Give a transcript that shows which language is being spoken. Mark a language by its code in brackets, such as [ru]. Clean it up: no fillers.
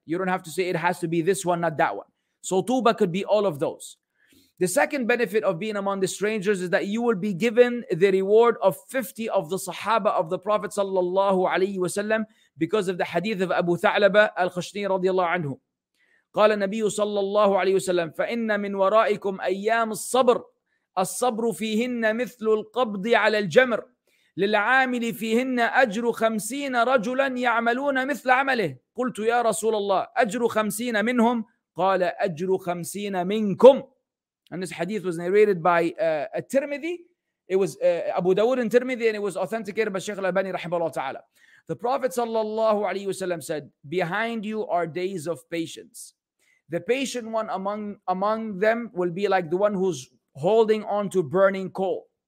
[en] You don't have to say it has to be this one, not that one. So tuba could be all of those. The second benefit of being among the strangers is that you will be given the reward of 50 of the Sahaba of the Prophet sallallahu alaihi wasallam, because of the hadith of Abu Tha'laba al-Khushni radiallahu anhu. [ar] قال النبي صلى الله عليه وسلم فإن من ورائكم أيام الصبر الصبر فيهن مثل القبض على الجمر للعامل فيهن أجر 50 رجلا يعملون مثل عمله. قلت يا رسول الله أجر 50 منهم؟ قال أجر 50 منكم. [en] And this hadith was narrated by Tirmidhi. It was Abu Dawood and Tirmidhi, and it was authenticated by Shaykh al-Albani rahimahullah ta'ala. The Prophet sallallahu alayhi wasallam said, behind you are days of patience. The patient one among them will be like the one who's holding on to burning coal.